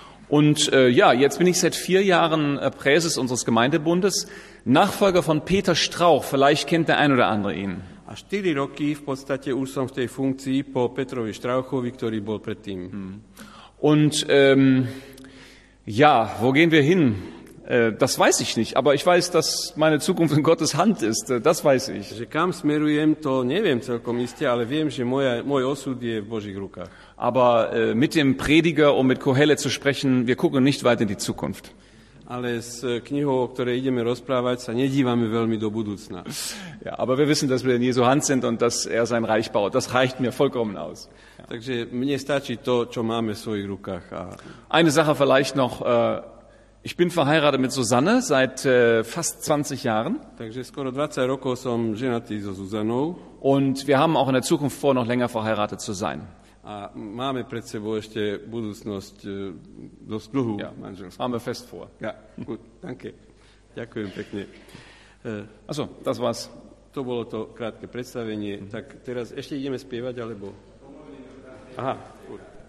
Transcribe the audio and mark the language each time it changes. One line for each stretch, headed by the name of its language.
German: Und jetzt bin ich seit 4 Jahren Präses unseres Gemeindebundes, Nachfolger von Peter Strauch, vielleicht kennt der ein oder andere ihn.
Slovak: A 4 roky v podstate už som v tej funkcii po Petrovi Strauchovi, ktorý bol predtým. Hmm.
German: Und wo gehen wir hin? Das weiß ich nicht, aber ich weiß, dass meine Zukunft in Gottes Hand ist, das weiß ich.
Slovak: Že kam smerujem, to neviem celkom iste, ale viem, že môj osud je v Božích rukách.
German: Aber mit dem Prediger, um mit Kohelet zu sprechen, wir gucken nicht weit in die Zukunft.
Slovak: Ale s knihou, o ktorej ideme rozprávať, sa nedívame veľmi do budúcna.
German: Ja, aber wir wissen, dass wir in Jesu Hand sind und dass er sein Reich baut. Das reicht mir vollkommen aus. Ja.
Slovak: Takže mne stačí to, čo máme v svojich rukách. A
German: eine Sache vielleicht noch. Ich bin verheiratet mit Susanne seit fast 20 Jahren.
Slovak: Takže skoro 20 rokov som ženatý so Susannou.
German: Und wir haben auch in der Zukunft vor, noch länger verheiratet zu sein.
Slovak: A máme pred sebou ešte budúcnosť dosť dlhú manželstva. Máme
German: fest vor. Ja, gut, danke.
Slovak: Ďakujem pekne.
German: Achso, das war's.
Slovak: To bolo to krátke predstavenie. Mm-hmm. Tak teraz ešte ideme spievať, alebo? Aha, gut.